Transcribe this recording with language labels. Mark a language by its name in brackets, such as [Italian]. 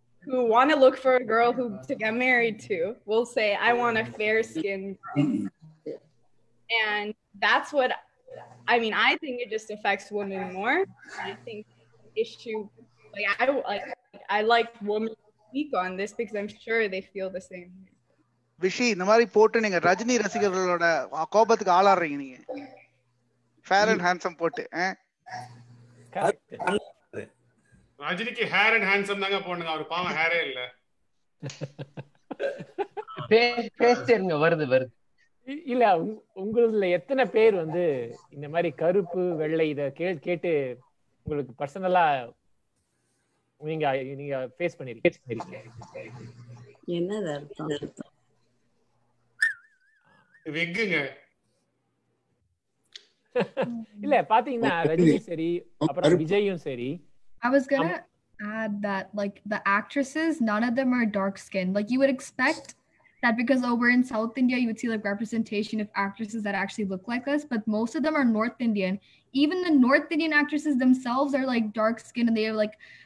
[English] who want to look for a girl who to get married to will say, I want a fair-skinned girl. And that's what, I mean, I think it just affects women more. I think issue, I like women to speak on this because I'm sure they feel the same. [Tamil] Vishy, இந்த மாதிரி போட்டு நீங்க ரஜினி ரசிகர்களோட கோபத்துக்கு ஆளாடுறீங்க நீங்க fair and handsome போட்டு ரஜினிக்கு hair and handsome தாங்க போடுங்க அவர் பாவம் ஹேரே இல்ல பேசுங்க வருது வருது இல்ல உங்களுல எத்தனை பேர் வந்து இந்த மாதிரி கருப்பு வெள்ளை இத கேட்டு உங்களுக்கு பர்சனலா நீங்க ஃபேஸ் பண்ணிருக்கீங்க என்னது அர்த்தம் இல்ல பாத்தீங்கன்னா ரஜினி சரி அப்புறம் விஜயும் சரி [English] I was gonna add that like the actresses none of them are dark skinned like you would expect that because over in South India you would see like representation of actresses that actually look like us but most of them are North Indian even the North Indian actresses themselves are like dark skinned and they like